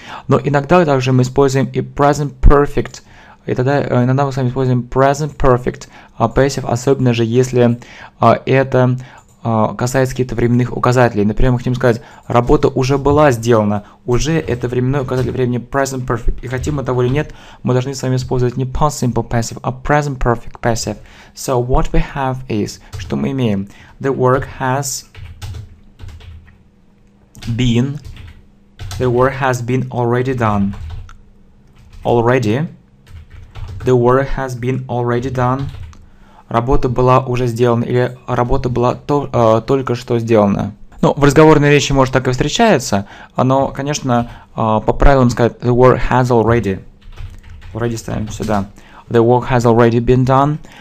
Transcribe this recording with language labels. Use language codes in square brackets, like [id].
[ru] Но иногда также мы используем и present perfect. И тогда иногда мы с вами используем present perfect passive, особенно же если это касается каких-то временных указателей. Например, мы хотим сказать, работа уже была сделана. Уже это временной указатель времени present perfect. И хотим мы того или нет, мы должны с вами использовать не past simple passive, а present perfect passive. [en] So, what we have is, [ru] что мы имеем? [en] The work has been, the work has been already done. Already. The work has been already done. [ru] Работа была уже сделана, или работа была только что сделана. Ну, в разговорной речи, может, так и встречается, но, конечно, по правилам сказать [en] «the work has already». [ru] Already ставим сюда. [en] «The work has already been done».